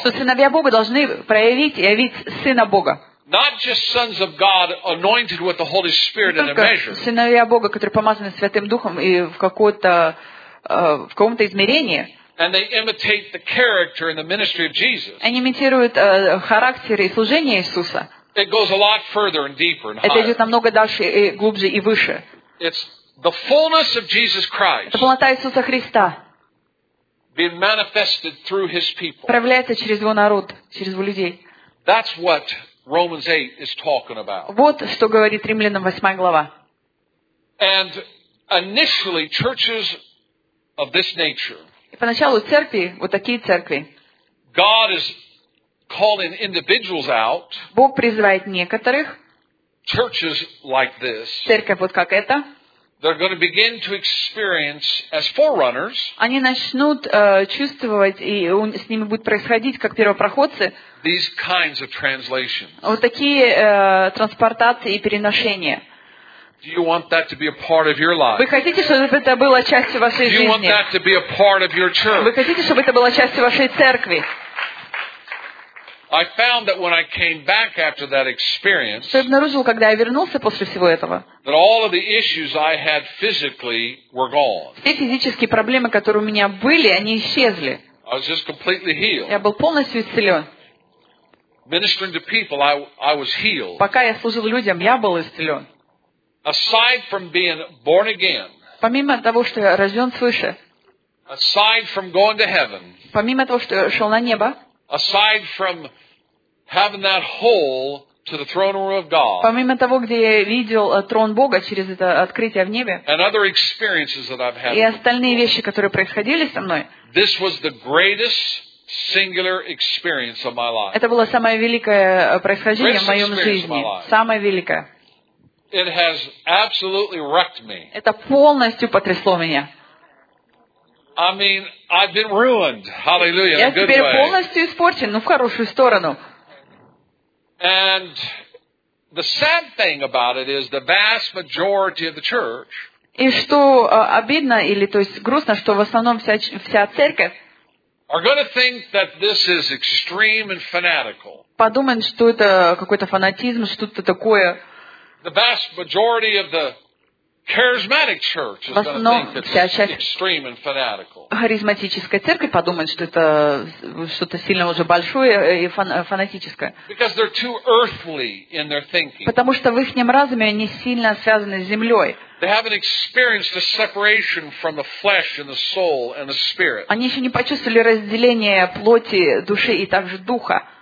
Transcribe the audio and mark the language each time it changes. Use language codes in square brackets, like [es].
[ru] Что сыновья Бога должны проявить и явить Сына Бога. [en] Not just sons of God anointed with the Holy Spirit in a measure. [ru] Сыновья Бога, которые помазаны Святым Духом и в каком-то измерении. [en] And they imitate the character and the ministry of Jesus. [ru] Они имитируют характер и служение Иисуса. [en] It goes a lot further and deeper and higher. [ru] Это идет намного дальше и глубже и выше. [en] It's the fullness of Jesus Christ. [ru] Это полнота Иисуса Христа. [en] Being manifested through His people. [ru] Проявляется через Его народ, через Его людей. [en] That's what Romans 8 is talking about. [ru] Вот что говорит Римлянам 8 глава. [en] And initially, churches of this nature. [ru] Поначалу церкви, вот такие церкви. [en] God is calling individuals out. [ru] Бог призывает некоторых. [en] Churches like this. [ru] Церковь вот как эта. [en] They're going to begin to experience as forerunners. [ru] Они начнут чувствовать и с ними будет происходить как первопроходцы. [en] These kinds of translations. [ru] Вот такие транспортации и переношения. [en] Do you want that to be a part of your life? [ru] Вы хотите, чтобы это было частью вашей жизни? [en] Do you want that to be a part of your church? [ru] Вы хотите, чтобы это было частью вашей церкви? [en] I found that when I came back after that experience, [ru] я обнаружил, когда я вернулся после всего этого, [en] that all of the issues I had physically were gone. [ru] Все физические проблемы, которые у меня были, они исчезли. [en] I was just completely healed. [ru] Я был полностью исцелен. [en] Ministering to people, I was healed. [ru] Пока я служил людям, я был исцелен. [en] Aside from being born again, [ru] помимо того, что я рожден свыше, [en] aside from going to heaven, [ru] помимо того, что я шел на небо, [en] aside from having that hole to the throne room of God, [ru] помимо того, где я видел трон Бога через это открытие в небе, [en] and other experiences that I've had, [ru] и остальные вещи, которые происходили со мной, [en] this was the greatest singular experience of my life. [ru] Это было самое великое происхождение в моем жизни, самое великое. [en] It has absolutely wrecked me. [ru] Это полностью потрясло меня. [en] I mean, I've been ruined. Hallelujah. [ru] Я теперь полностью испорчен, но в хорошую сторону. [en] And the sad thing about it is the vast majority of the church. [ru] И что обидно или то есть грустно, что в основном вся церковь. [en] Are going to think that this is extreme and fanatical. [ru] Подумают, что это какой-то фанатизм, что-то такое. [en] The vast majority of the charismatic church is going to think it's extreme and fanatical. [ru] Харизматическая церковь подумает, что это что-то сильно уже большое и фанатическое. [en] Because they're too earthly in their thinking. [ru] Потому что в ихнем разуме они сильно связаны с землей. [en] They haven't experienced the separation from the flesh and the soul and the spirit. [ru] Они еще не почувствовали разделение плоти, души и также духа.